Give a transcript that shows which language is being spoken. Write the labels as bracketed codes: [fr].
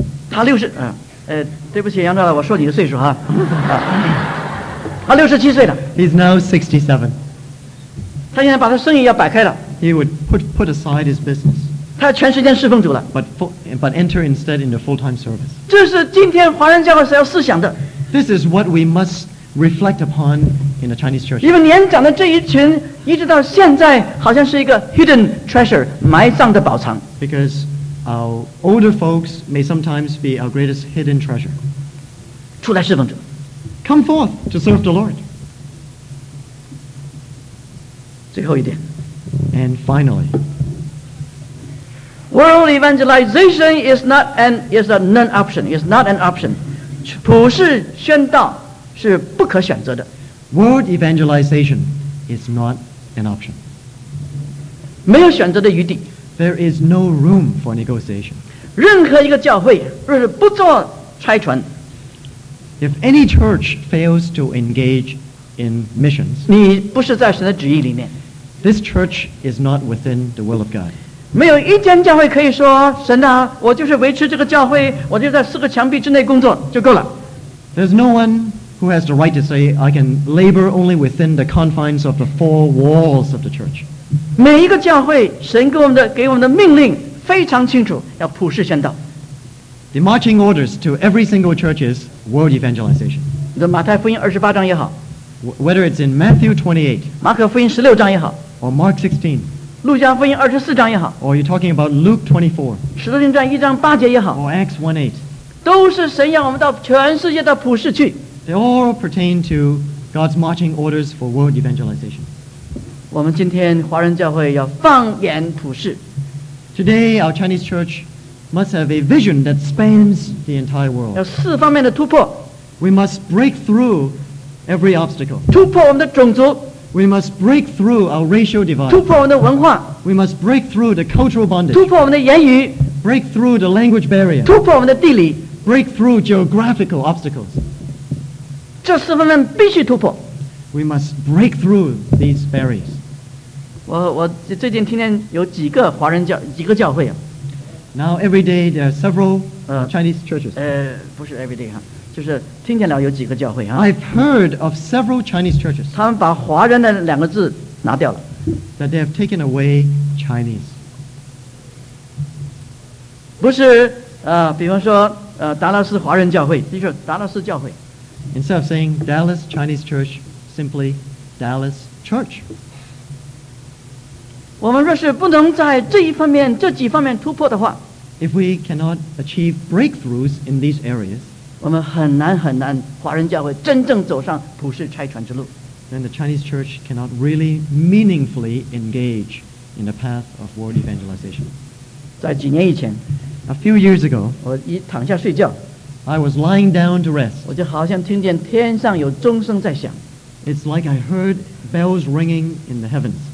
[zh] 他六十对不起杨长老我说你的岁数哈他六十七岁了 [en] He's now 67 [zh] 他现在把他生意要摆开了 [en] He would put aside his business [zh] 他全时间侍奉主了 [en] But enter instead into full-time service [zh] 这是今天华人教会所要思想的 [en] This is what we must reflect upon in the Chinese church [zh] 因为年长的这一群一直到现在好像是一个 [en] hidden treasure [zh] 埋葬的宝藏 [en] BecauseOur older folks may sometimes be our greatest hidden treasure. [zh] 出来侍奉主。 [en] Come forth to serve the Lord. [zh] 最后一点。 [en] And finally. World evangelization is not an option. [zh] 普世宣道是不可选择的。 [en] World evangelization is not an option. [zh] 没有选择的余地。 [en] There is no room for negotiation. [zh] 任何一个教会若是不做拆船 [en] If any church fails to engage in missions, [zh] 你不是在神的旨意里面 [en] This church is not within the will of God. [zh] 没有一间教会可以说神啊，我就是维持这个教会，我就在四个墙壁之内工作就够了。 [en] There's no one who has the right to say I can labor only within the confines of the four walls of the church. [zh] 每一个教会神给我们的命令非常清楚要普世宣道 [en] The marching orders to every single church is world evangelization [zh] 马太福音二十八章也好 [en] Whether it's in Matthew 28 [zh] 马可福音十六章也好 [en] Or Mark 16 [zh] 路加福音二十四章也好 [en] Or you're talking about Luke 24 [zh] 使徒行传一章八节也好 [en] Or Acts 1:8 [zh] 都是神要我们到全世界到普世去 [en] They all pertain to God's marching orders for world evangelization [zh] 我们今天华人教会要放眼普世。 [en] Today our Chinese church must have a vision that spans the entire world. [zh] 要四方面的突破。 [en] We must break through every obstacle. [zh] 突破我们的种族。 [en] We must break through our racial divide. [zh] 突破我们的文化。 [en] We must break through the cultural bondage. [zh] 突破我们的言语。 [en] Break through the language barrier. [zh] 突破我们的地理。 [en] Break through geographical obstacles. [zh] 这四方面必须突破。 [en] We must break through these barriers. [zh] 我最近听见有几个华人教几个教会啊。 [en] Now every day there are several Chinese churches. [zh] 不是 [en] every day [zh] 哈，就是听见了有几个教会啊。 [en] I've heard of several Chinese churches. [zh] 他们把华人的两个字拿掉了。 [en] That they have taken away Chinese. [zh] 不是比方说达拉斯华人教会，就是达拉斯教会。 [en] Instead of saying Dallas Chinese Church. Simply Dallas Church. [zh] 我们若是不能在这一方面、这几方面突破的话 [en] ，If we cannot achieve breakthroughs in these areas, [zh] 我们很难很难华人教会真正走上普世拆船之路。 [en] Then the Chinese Church cannot really meaningfully engage in the path of world evangelization. [zh] 在几年以前 [en] ，A few years ago, [zh] 我一躺下睡觉 [en] ，I was lying down to rest. [zh] 我就好像听见天上有钟声在响。 [en] It's like I heard bells ringing in the heavens.